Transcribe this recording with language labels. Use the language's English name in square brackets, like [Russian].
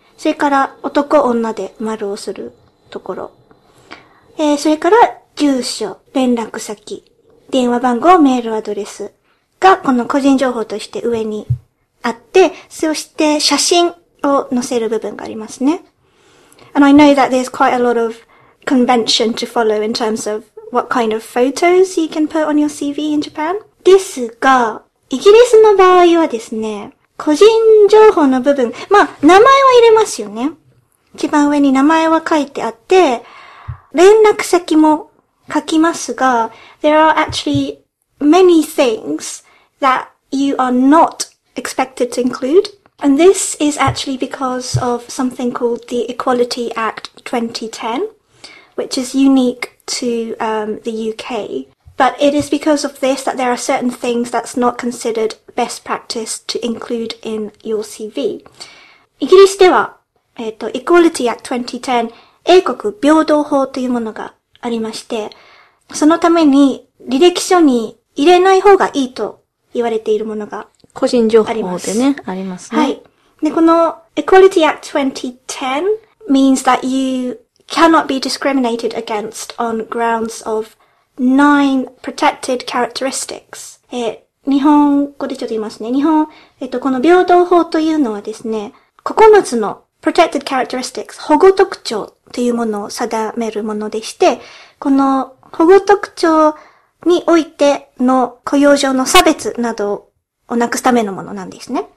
[Japanese] それから男女で丸をするところ。それから住所、連絡先、電話番号、メールアドレスがこの個人情報として上にあって、そして写真を載せる部分がありますね。 [English] And I know that there's quite a lot of convention to follow in terms of what kind of photos you can put on your CV in Japan. [Japanese] ですが、イギリスの場合はですね、個人情報の部分、まあ、名前は入れますよね。一番上に名前は書いてあって、連絡先も書きますが、 [English] there are actually many things that you are not expected to include. And this is actually because of something called the Equality Act 2010, which is unique to, the UK. But it is because of this that there are certain things that's not considered best practice to include in your CV. [Japanese] イギリスでは、Equality Act 2010、英国平等法というものがありまして、そのために履歴書に入れない方がいいと言われているものが個人情報でね、ありますね。はい。で、この [English] Equality Act 2010 means that you cannot be discriminated against on grounds of 9 protected characteristics. [Japanese] 日本語でちょっと言いますね。日本、この平等法というのはですね、9つの protected characteristics、保護特徴というものを定めるものでして、この保護特徴においての雇用上の差別などををなくすためのものなんですね。